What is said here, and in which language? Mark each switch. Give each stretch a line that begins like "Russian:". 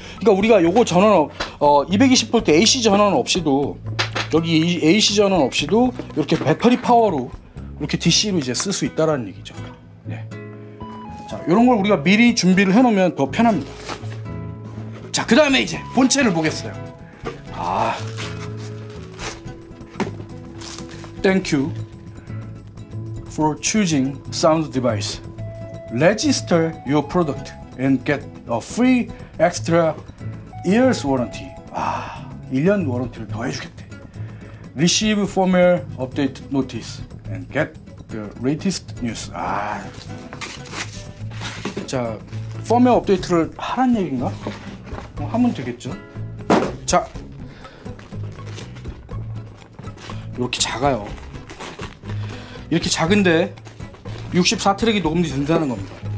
Korean: 그러니까 우리가 요거 전원 220V AC 전원 없이도, 여기 AC 전원 없이도 이렇게 배터리 파워로 이렇게 DC로 이제 쓸 수 있다라는 얘기죠. 네. 자, 요런 걸 우리가 미리 준비를 해 놓으면 더 편합니다. 자, 그 다음에 이제 본체를 보겠어요.
English: 아, 땡큐 for choosing sound device. Register your product and get a free extra years warranty.
Korean: 아, 1년 워런티를 더 해주겠대.
English: Receive firmware update notice and get the latest news.
Korean: 아, 자, 펌웨어 업데이트를 하란 얘기인가? 하면 되겠죠. 자, 이렇게 작아요. 이렇게 작은데 64트랙이 녹음이 된다는 겁니다.